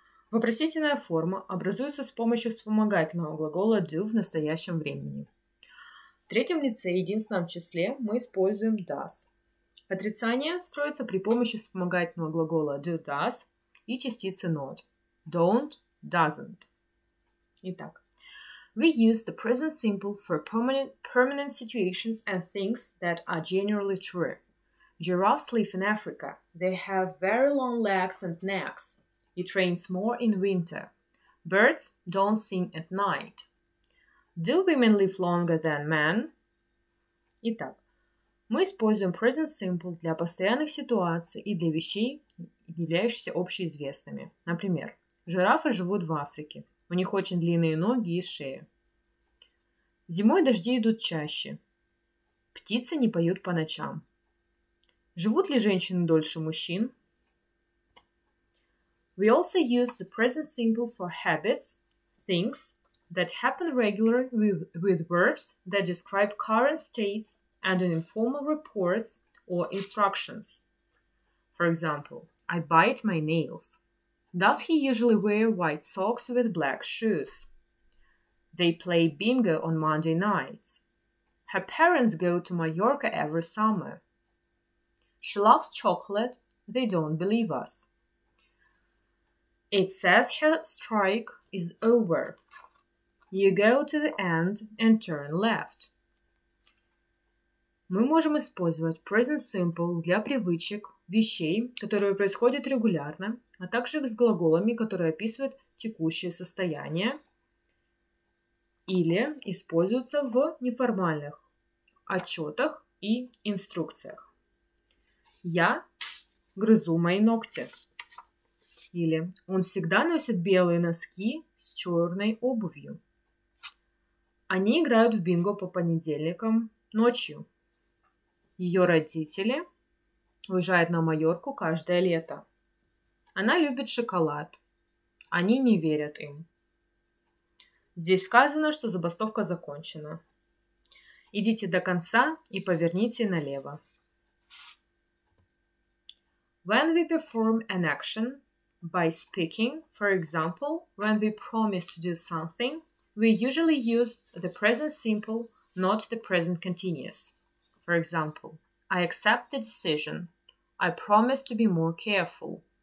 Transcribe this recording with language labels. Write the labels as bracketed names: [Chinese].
[Russian] Вопросительная форма образуется с помощью вспомогательного глагола do в настоящем времени. В третьем лице и единственном числе мы используем does. Отрицание строится при помощи вспомогательного глагола do does и частицы not. [English] Don't, doesn't. [Russian] Итак, [English] we use the present simple for permanent situations and things that are generally true. Giraffes live in Africa. They have very long legs and necks. It rains more in winter. Birds don't sing at night. Do women live longer than men? [Russian] Итак, мы используем present simple для постоянных ситуаций и для вещей, являющихся общеизвестными. Например, жирафы живут в Африке. У них очень длинные ноги и шеи. Зимой дожди идут чаще. Птицы не поют по ночам. Живут ли женщины дольше мужчин? [English] We also use the present simple for habits, things that happen regularly with verbs that describe current states and in informal reports or instructions. For example, I bite my nails. Does he usually wear white socks with black shoes? They play bingo on Monday nights. Her parents go to Mallorca every summer. She loves chocolate. They don't believe us. It says her strike is over. You go to the end and turn left. [Russian] Мы можем использовать present simple для привычек, вещей, которые происходят регулярно, а также с глаголами, которые описывают текущее состояние или используются в неформальных отчетах и инструкциях. Я грызу мои ногти. Или он всегда носит белые носки с черной обувью. Они играют в бинго по понедельникам ночью. Ее родители уезжают на Майорку каждое лето. Она любит шоколад. Они не верят им. Здесь сказано, что забастовка закончена. Идите до конца и поверните налево. [English] When we perform an action by speaking, for example, when we promise to do something, we usually use the present simple, not the present continuous. For example, I accept the decision. I promise to be more careful.